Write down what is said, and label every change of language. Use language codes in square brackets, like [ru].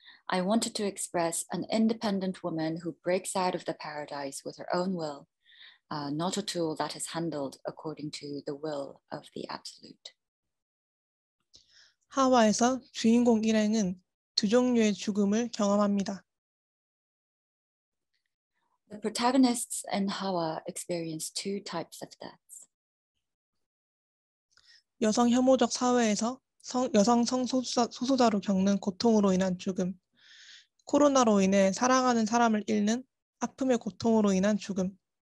[en] I wanted to express an independent woman who breaks out of the paradise with her own will, not a tool that is handled according to the will of the absolute. [ko] 하와에서 주인공 일행은 두 종류의 죽음을 경험합니다. [en] The protagonists in Hawa experience two types of deaths. [ko] 여성 혐오적 사회에서 여성 성소수자로 겪는 고통으로 인한 죽음, 코로나로 인해 사랑하는 사람을 잃는 아픔의 고통으로 인한 죽음.